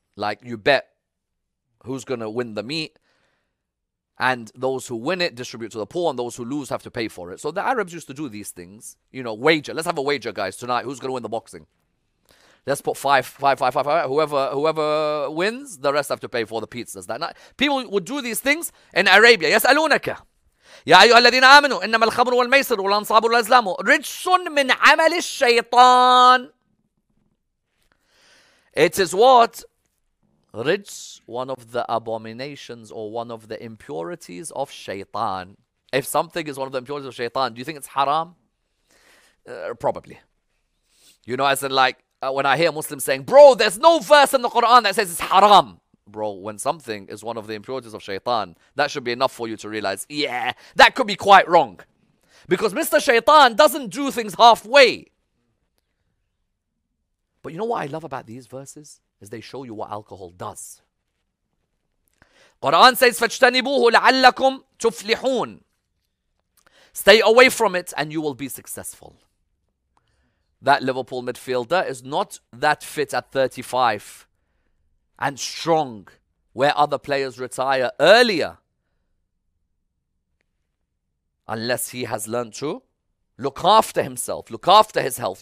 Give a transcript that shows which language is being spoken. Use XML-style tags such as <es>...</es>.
<en>Like you bet who's going to win the meat. And those who win it distribute to the poor. And those who lose have to pay for it. So the Arabs used to do these things. You know, wager. Let's have a wager, guys, tonight. Who's going to win the boxing? Let's put five. Whoever wins, the rest have to pay for the pizzas that night. People would do these things in Arabia. Yes, alunaka.</en> <ar>يا أيها الذين آمنوا إنما الخمر والميسر والأنصاب والأزلام رجس من عمل الشيطان.</ar> <en>It is what? Rijs, one of the abominations or one of the impurities of shaitan. If something is one of the impurities of shaitan, do you think it's haram? Probably. You know, as in like, when I hear Muslims saying, bro, there's no verse in the Quran that says it's haram. Bro, when something is one of the impurities of shaitan, that should be enough for you to realize, yeah, that could be quite wrong. Because Mr. Shaitan doesn't do things halfway. But you know what I love about these verses? Is they show you what alcohol does. Quran says,</en> <ar>فَاجْتَنِبُوهُ لَعَلَّكُمْ تُفْلِحُونَ.</ar> <en>Stay away from it and you will be successful. That Liverpool midfielder is not that fit at 35 and strong where other players retire earlier. Unless he has learned to look after himself, look after his health.</en>